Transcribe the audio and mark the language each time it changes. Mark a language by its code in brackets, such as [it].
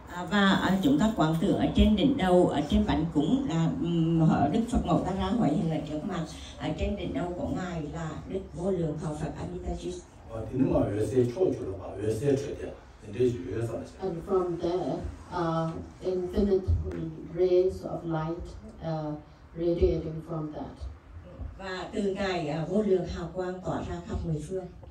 [vi] Và chúng ta quán tưởng ở trên đỉnh đầu, ở trên bánh cúng là Đức Phật Mẫu Tara hòa hiền ở trước mặt, ở trên đỉnh đầu của ngài là Đức Vô Lượng Thọ Phật Amitabha. [en] And from the infinite rays of light radiating from that. [vi] Và từ ngài Vô Lượng hào quang tỏa ra khắp mười phương.